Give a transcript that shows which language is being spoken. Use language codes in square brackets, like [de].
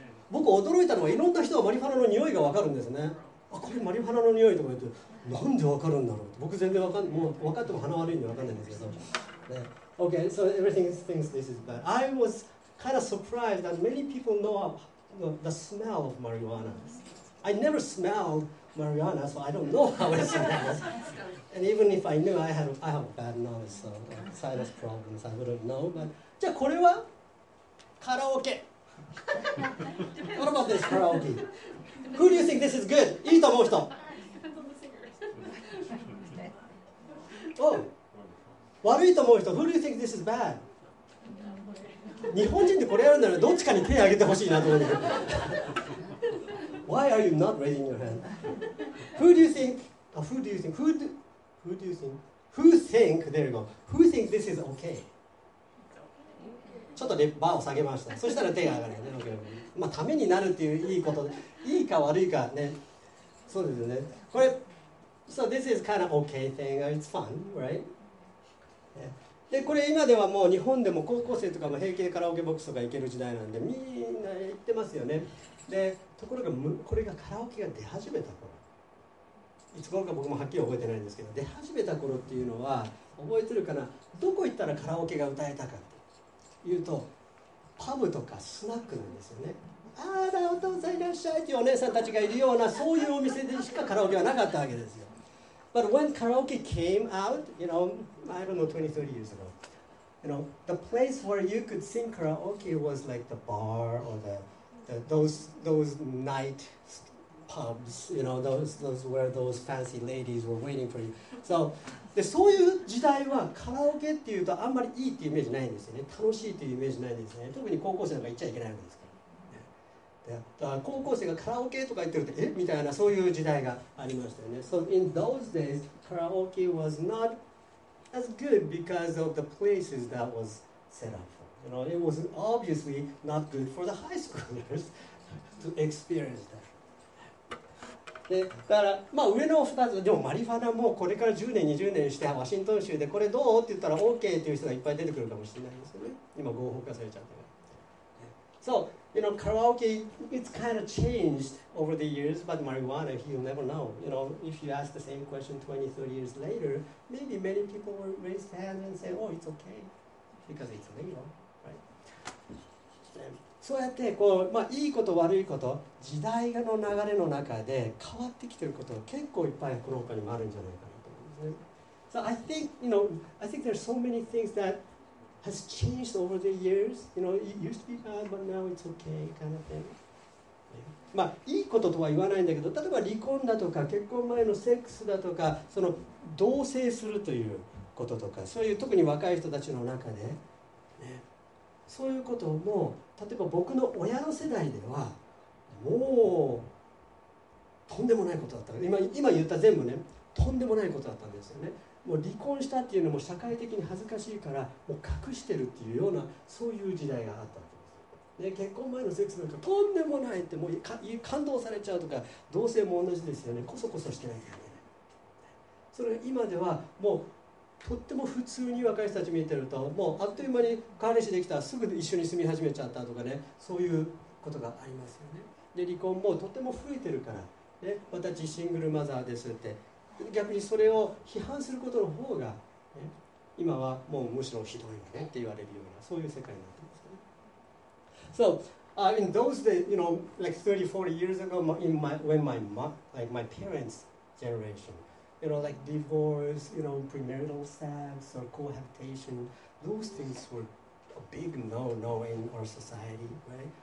[ja] 僕驚いたのは、いろんな人がマリファナの匂いが分かるんですね。あ、これマリファナの匂いとか言って、なんで分かるんだろう。僕全然分かん、もう分かっても鼻悪いんで分かんないんですけど。 [en] Okay, so everything thinks this is bad. I was kind of surprised that many people know the smell of marijuana. I never smelledMarijuana, so I don't know how it smells. And even if I knew, I have bad nose, so sinus problems, I wouldn't know. But [ja] じゃあこれはカラオケ。 [en] What about this karaoke? Who do you think this is good? [ja] いいと思う人。 [en] Depends on the singer. Oh, [ja] 悪いと思う人。 [en] Who do you think this is bad? [ja] 日本人でこれやるならどっちかに手を挙げてほしいなと思って。 [en] Why are you not raising your hand? Who do you think? Who do you think? Who do you think? Who think? There you go. Who think this is okay? [ja] ちょっとバーを下げました。そしたら手が上がるね。 [en] Okay. [ja] まあためになるっていういいこと、いいか悪いかね。そうですよね。 [en] これ、so this is kind of okay thing. It's fun, right? [ja] でこれ今ではもう日本でも高校生とかも平気でカラオケボックスとか行ける時代なんでみんな行ってますよね。でところがこれがカラオケが出始めた頃、いつ頃か僕もはっきり覚えてないんですけど、出始めた頃っていうのは覚えてるかな、どこ行ったらカラオケが歌えたかっていうとパブとかスナックなんですよね。あらお父さんいらっしゃいというお姉さんたちがいるようなそういうお店でしかカラオケはなかったわけですよ。 [en] But when karaoke came out, you know, I don't know, 20, 30 years ago, you know, the place where you could sing karaoke was like the bar or those night pubs, you know, those where those fancy ladies were waiting for you. [ja] So, でそういう時代はカラオケっていうとあんまりいいっていうイメージないんですよね。楽しいっていうイメージないんですね。特に高校生なんか行っちゃいけないわけですから。で、だから高校生がカラオケとか言ってるとえみたいなそういう時代がありましたよね。 [en] So in those days, karaoke was not as good because of the places that was set up for. You know, it was obviously not good for the high schoolers to experience that. [ja] でだからまあ上の2つでもマリファナもこれから10年20年してワシントン州でこれどうって言ったら OK っていう人がいっぱい出てくるかもしれないですよね。今合法化されちゃったから。 [en] So you know karaoke it's kind of changed over the years, but marijuana you'll never know. You know if you ask the same question 20, 30 years later, maybe many people will raise their hand and say, oh, it's okay because it's legal, right? [ja] そうやってこう、まあ、いいこと悪いこと時代の流れの中で変わってきてることが結構いっぱいこの他にもあるんじゃないかなと思うんですね。 [en] So I think, you know, I think there are so many things that has changed over the years. You know, it used to be bad, but now it's okay kind of thing. [ja] まあいいこととは言わないんだけど、例えば離婚だとか結婚前のセックスだとかその同棲するということとかそういう特に若い人たちの中で、ね、そういうことも例えば僕の親の世代ではもうとんでもないことだった。今言った全部ねとんでもないことだったんですよね。もう離婚したっていうのも社会的に恥ずかしいからもう隠してるっていうようなそういう時代があったわけです、ね、結婚前のセックスなんかとんでもないってもう感動されちゃうとか同性も同じですよね。こそこそしてないからね。それが今ではもうとっても普通に若い人たち見てるともうあっという間に彼氏できたらすぐ一緒に住み始めちゃったとかねそういうことがありますよね。で離婚もとっても増えてるから、ね、私シングルマザーですって逆にそれを批判することの方が、ね、今はもうむしろひどいよねって言われるようなそういう世界になってますね。 [en] So、in those days, you know, like 30, 40 years ago in my parents' generationYou know, like divorce, you know, premarital sex or cohabitation, those things were a big no-no in our society, right?